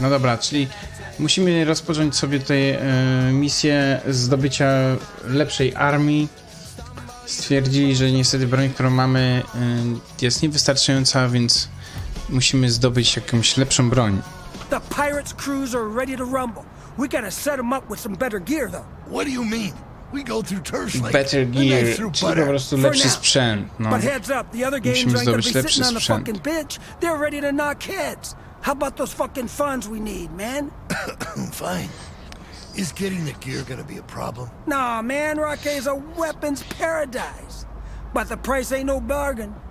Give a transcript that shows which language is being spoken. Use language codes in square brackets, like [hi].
[pl] No dobra, czyli musimy rozpocząć sobie tutaj misję zdobycia lepszej armii. Stwierdzili, że niestety broń, którą mamy, jest niewystarczająca, więc musimy zdobyć jakąś lepszą broń. [en] The pirates' crews are ready to rumble. We gotta set them up with some better gear, though. What do you mean? We go through turf like better gear, [pl] czyli po prostu lepszy sprzęt. [en] No. But heads up, the other games aren't gonna be sitting on the fucking bench. They're ready to knock heads. How about those fucking funds we need, man? Fine. Is getting the gear gonna be a problem? Nah, man, Rocket is a weapons paradise. But the price ain't no bargain.